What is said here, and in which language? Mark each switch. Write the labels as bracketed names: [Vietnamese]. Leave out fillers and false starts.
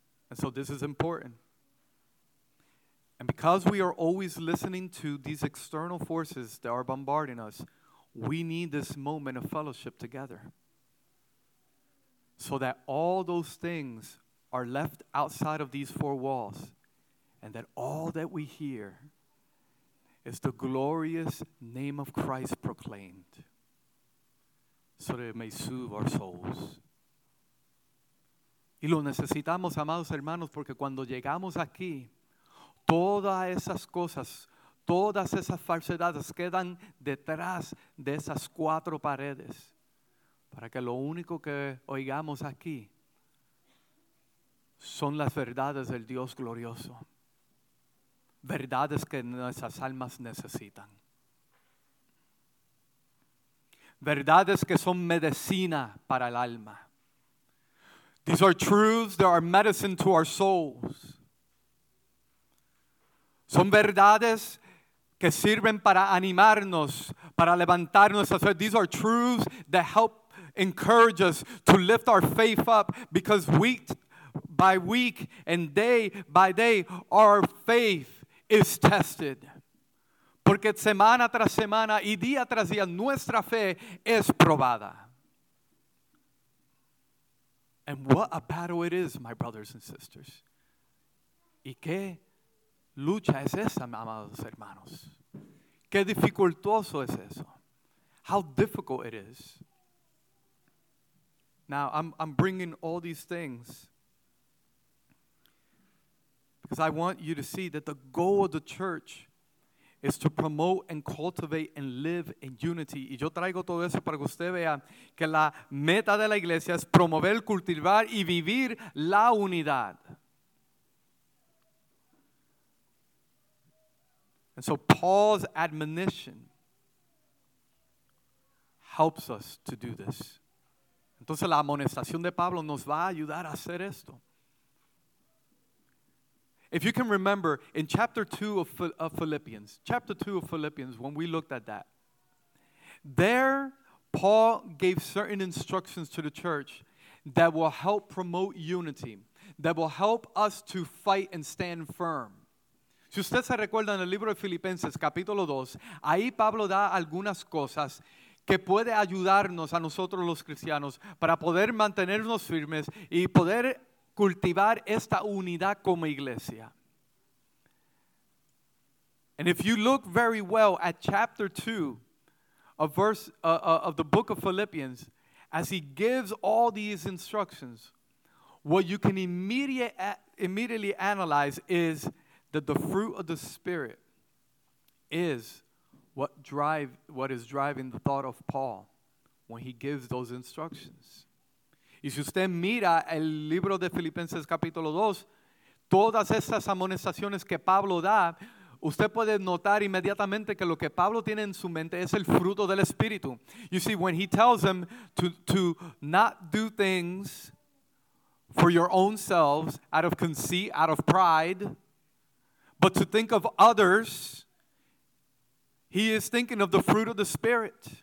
[English] And so this is important. And because we are always listening to these external forces that are bombarding us, we need this moment of fellowship together so that all those things are left outside of these four walls and that all that we hear is the glorious name of Christ proclaimed so that it may soothe our souls. [Spanish] Y lo necesitamos, amados hermanos, porque cuando llegamos aquí, todas esas cosas, todas esas falsedades quedan detrás de esas cuatro paredes para que lo único que oigamos aquí son las verdades del Dios glorioso. Verdades que nuestras almas necesitan. Verdades que son medicina para el alma. [English] These are truths that are medicine to our souls. [Spanish] Son verdades que sirven para animarnos, para levantar nuestra fe. [English] These are truths that help encourage us to lift our faith up because week by week and day by day, our faith is tested. [Spanish] Porque semana tras semana y día tras día, nuestra fe es probada. [English] And what a battle it is, my brothers and sisters. [Spanish] ¿Y qué lucha es esa, amados hermanos? ¿Qué dificultoso es eso? [English] How difficult it is. Now, I'm bringing all these things because I want you to see that the goal of the church is to promote and cultivate and live in unity. [Spanish] Y yo traigo todo eso para que usted vea que la meta de la iglesia es promover, cultivar y vivir la unidad. [English] And so Paul's admonition helps us to do this. [Spanish] Entonces la amonestación de Pablo nos va a ayudar a hacer esto. [English] If you can remember, in chapter 2 of Philippians, when we looked at that, there Paul gave certain instructions to the church that will help promote unity, that will help us to fight and stand firm. [Spanish] Si usted se recuerda en el libro de Filipenses, capítulo 2, ahí Pablo da algunas cosas que puede ayudarnos a nosotros los cristianos para poder mantenernos firmes y poder cultivar esta unidad como iglesia. [English] And if you look very well at chapter 2 of the book of Philippians, as he gives all these instructions, what you can immediately analyze is that the fruit of the Spirit is what is driving the thought of Paul when he gives those instructions. [Spanish] Y si usted mira el libro de Filipenses capítulo 2, todas estas amonestaciones que Pablo da, usted puede notar inmediatamente que lo que Pablo tiene en su mente es el fruto del Espíritu. [English] You see, when he tells them to not do things for your own selves out of conceit, out of pride, but to think of others, he is thinking of the fruit of the Spirit.